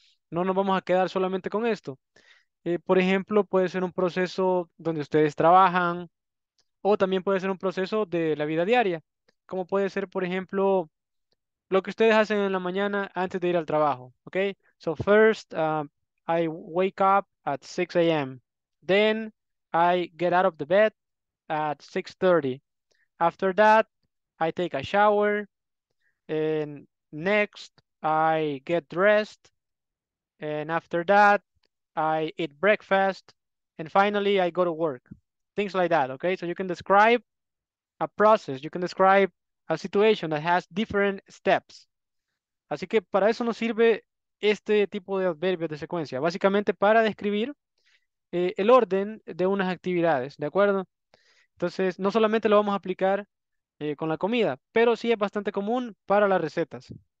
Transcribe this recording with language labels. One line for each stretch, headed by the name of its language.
Spanish: No nos vamos a quedar solamente con esto. Por ejemplo, puede ser un proceso donde ustedes trabajan o también puede ser un proceso de la vida diaria, como puede ser, por ejemplo, lo que ustedes hacen en la mañana antes de ir al trabajo, ¿ok?
English: So first, I wake up at 6 a.m. Then I get out of the bed at 6:30. After that, I take a shower. And next, I get dressed. And after that, I eat breakfast, and finally I go to work. Things like that, okay? So you can describe a process, you can describe a situation that has different steps.
Spanish: Así que para eso nos sirve este tipo de adverbios de secuencia, básicamente para describir el orden de unas actividades, ¿de acuerdo? Entonces, no solamente lo vamos a aplicar con la comida, pero sí es bastante común para las recetas.